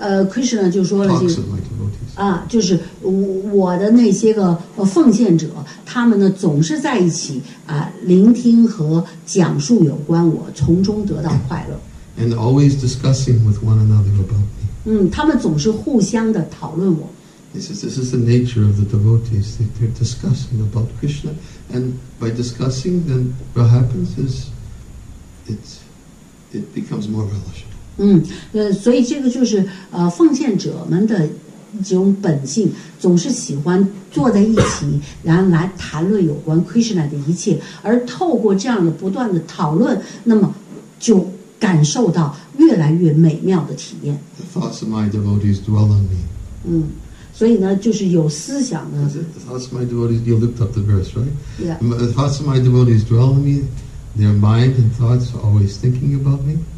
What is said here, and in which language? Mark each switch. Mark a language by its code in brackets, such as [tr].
[zh] Krishna 就说了这个 [en] talks of my devotees. [zh] 就是我的那些个奉献者，他们呢总是在一起聆听和讲述有关我，从中得到快乐。 [en] And always discussing with one another about me. [zh] 他们总是互相的讨论我。 [en] This is the nature of the devotees. They're discussing about Krishna, and by discussing, then what happens is it becomes more relishable. [zh] 所以这个就是奉献者们的。这种本性总是喜欢坐在一起，然后来谈论有关 Krishna 的一切，而透过这样的不断的讨论，那么就感受到越来越美妙的体验。 [en] The thoughts of my devotees dwell on me. [zh] 所以呢，就是有思想的。 [en] The thoughts of my devotees, you looked up the verse, right? Yeah. The thoughts of my devotees dwell on me. Their mind and thoughts are always thinking about me.